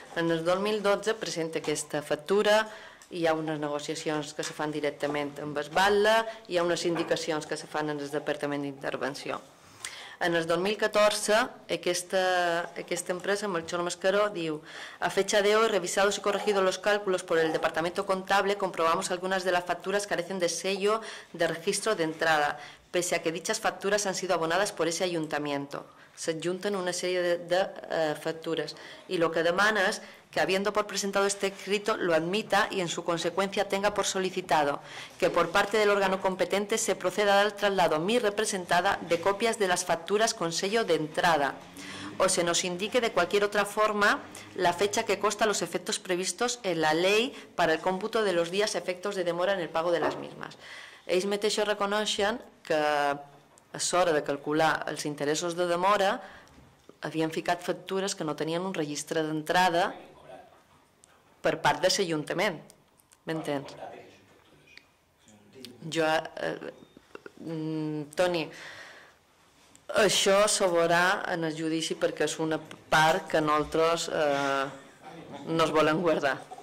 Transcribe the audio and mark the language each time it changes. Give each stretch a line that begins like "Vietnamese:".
Catalan: En el 2012 presenta aquesta factura, hi ha unes negociacions que se fan directament amb el Batlle, hi ha unes indicacions que se fan en el Departament d'Intervenció. En el 2014, aquesta empresa, Melchor Mascaró, diu:
Spanish: a fecha de hoy, revisados y corregidos los cálculos por el Departamento Contable, comprobamos algunas de las facturas carecen de sello de registro de entrada, pese a que dichas facturas han sido abonadas por ese ayuntamiento.
Catalan: S'adjunten una sèrie de factures i el que demana és que,
Spanish: habiendo por presentado este escrito, lo admita y en su consecuencia tenga por solicitado que por parte del órgano competente se proceda al traslado mi representada de copias de las facturas con sello de entrada o se nos indique de cualquier otra forma la fecha que consta los efectos previstos en la ley para el cómputo de los días efectos de demora en el pago de las mismas.
Catalan: Ells mateixos reconeixen que és hora de calcular els interessos de demora, havien ficat factures que no tenien un registre d'entrada per part de l'Ajuntament. M'entens? Jo, Toni, això s'ho veurà en el judici perquè és una part que nosaltres no es volen guardar.